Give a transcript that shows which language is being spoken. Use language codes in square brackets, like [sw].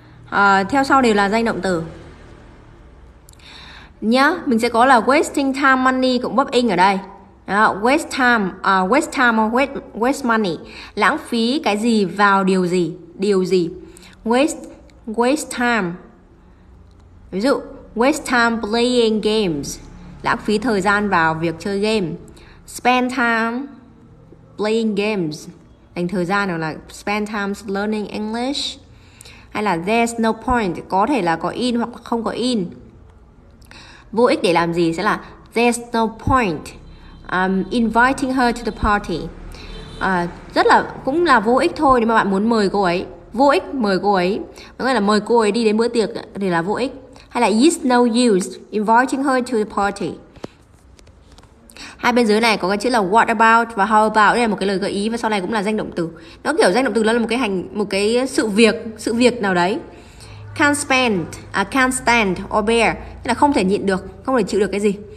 [vi] À, theo sau đều là danh động từ. Nhá, mình sẽ có là [en] wasting time money [vi] cộng verb in ở đây. [en] Waste time, waste money. [vi] Lãng phí cái gì vào điều gì? Điều gì? [en] Waste time. [vi] Ví dụ, [en] waste time playing games. [vi] Lãng phí thời gian vào việc chơi game. [en] Spend time playing games. [vi] Dành thời gian là [en] spend time learning English. [vi] Hay là [en] there's no point. [vi] Có thể là có in hoặc không có in. Vô ích để làm gì sẽ là [en] there's no point inviting her to the party. [vi] Rất là, cũng là vô ích thôi nếu mà bạn muốn mời cô ấy. Vô ích mời cô ấy. Có nghĩa là mời cô ấy đi đến bữa tiệc thì là vô ích. hay là [en] it's no use inviting her to the party. [vi] Hai bên dưới này có cái chữ là [en] what about [vi] và [en] how about. [vi] Đây là một cái lời gợi ý và sau này cũng là danh động từ. Nó kiểu danh động từ, nó là một cái sự việc nào đấy. [en] Can't spend, can't stand or bear, [vi] nghĩa là không thể nhịn được, không thể chịu được cái gì.